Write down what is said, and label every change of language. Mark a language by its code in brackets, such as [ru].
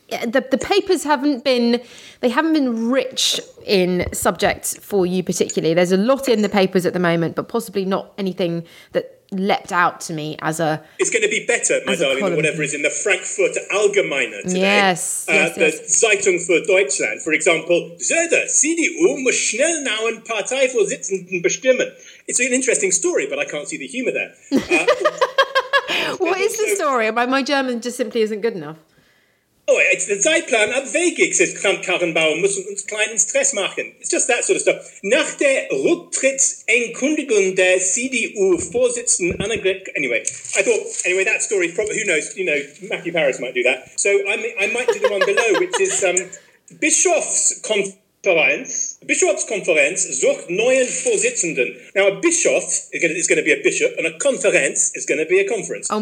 [en] Yeah, the papers haven't been rich in subjects for you particularly. There's a lot in the papers at the moment, but possibly not anything that leapt out to me as a... It's going to be better, my darling, than whatever is in the Frankfurt Allgemeine today. Yes, yes. [de] Zeitung für Deutschland, [en] for example. [de] Söder, CDU, muss schnell now ein Parteivorsitzenden bestimmen. [en] It's an interesting story, but I can't see the humour there. What is the story? My German just simply isn't good enough. Oh, it's the [de] Zeitplan abwegig, says Kramp-Karrenbauer, muss uns kleinen Stress machen. [en] It's just that sort of stuff. [de] Nach der Rücktrittsankündigung der CDU-Vorsitzenden Annegret... [en] Anyway, that story, who knows, you know, Matthew Paris might do that. So I might do the one below, which is [de] Bischofskonferenz sucht neuen Vorsitzenden. [en] Now, a bischof is going to be a bishop, and a Konferenz is going to be a conference.